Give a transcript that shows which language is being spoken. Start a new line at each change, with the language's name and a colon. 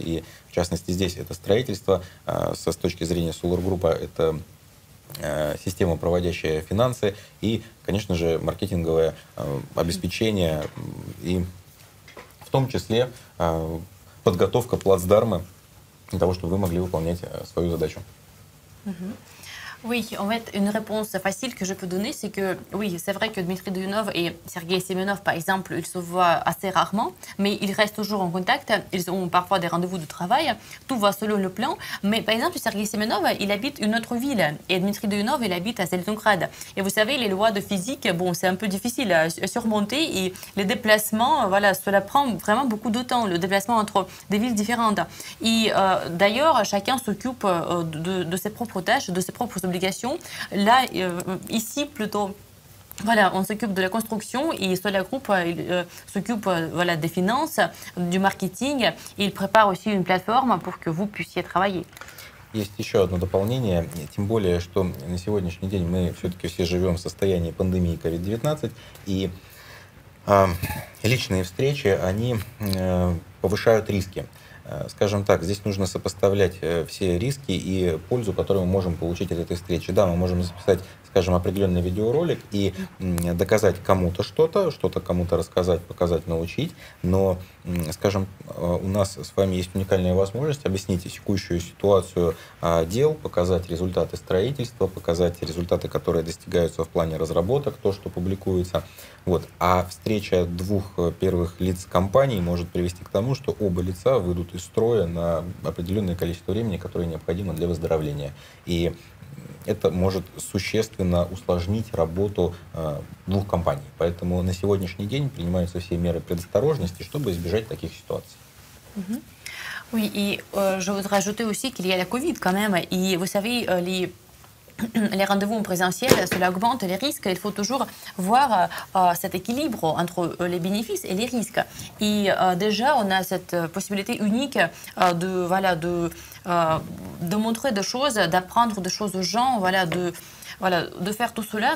Russian: И, в частности, здесь это строительство. С точки зрения Solar Group, это система, проводящая финансы. И, конечно же, маркетинговое обеспечение. И в том числе подготовка плацдарма для того, чтобы вы могли выполнять свою задачу.
French: Oui, en fait, une réponse facile que je peux donner, c'est que oui, c'est vrai que Dmitri Duhunov et Sergei Semenov, par exemple, ils se voient assez rarement, mais ils restent toujours en contact, ils ont parfois des rendez-vous de travail, tout va selon le plan, mais par exemple, Sergei Semenov, il habite une autre ville, et Dmitri Duhunov, il habite à Zelenograd. Et vous savez, les lois de physique, bon, c'est un peu difficile à surmonter, et les déplacements, voilà, cela prend vraiment beaucoup de temps, le déplacement entre des villes différentes. Et d'ailleurs, chacun s'occupe de ses propres tâches, de ses propres obligations. Là, ici, plutôt, voilà, on s'occupe de la construction et Solar Group s'occupe voilà, des finances, du marketing. Il prépare aussi une plateforme pour que vous puissiez travailler.
Russian: Есть еще одно дополнение, тем более, что на сегодняшний день мы все-таки все живем в состоянии пандемии COVID-19, и личные встречи, они повышают риски. Скажем так, здесь нужно сопоставлять все риски и пользу, которую мы можем получить от этой встречи. Да, мы можем записать, скажем, определенный видеоролик и доказать кому-то что-то, что-то кому-то рассказать, показать, научить, но, скажем, у нас с вами есть уникальная возможность объяснить текущую ситуацию дел, показать результаты строительства, показать результаты, которые достигаются в плане разработок, то, что публикуется. Вот. А встреча двух первых лиц компании может привести к тому, что оба лица выйдут из строя на определенное количество времени, которое необходимо для выздоровления. И это может существенно усложнить работу двух компаний. Поэтому на сегодняшний день принимаются все меры предосторожности, чтобы избежать таких ситуаций.
French: Oui, et je voudrais ajouter aussi qu'il y a la COVID quand même. Et vous savez, les rendez-vous en présentiel, cela augmente les risques. Il faut toujours voir cet équilibre entre les bénéfices et les risques. Et déjà, on a cette possibilité unique de montrer des choses, d'apprendre des choses aux gens, de faire tout cela.